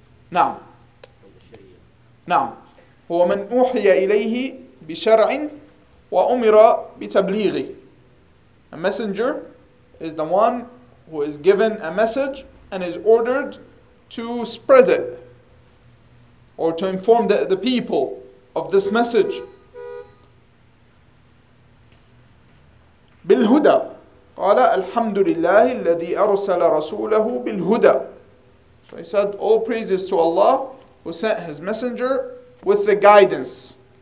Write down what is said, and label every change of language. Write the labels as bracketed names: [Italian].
[Arabic] نعم نعم هو من أوحي إليه بشرع وأمر بتبليغه. [English] A messenger is the one who is given a message and is ordered to spread it or to inform the people of this message. [Arabic] بالهدى قال الحمد لله الذي أرسل رسوله بالهدى. [English] So he said, all praises to Allah who sent his messenger with the guidance.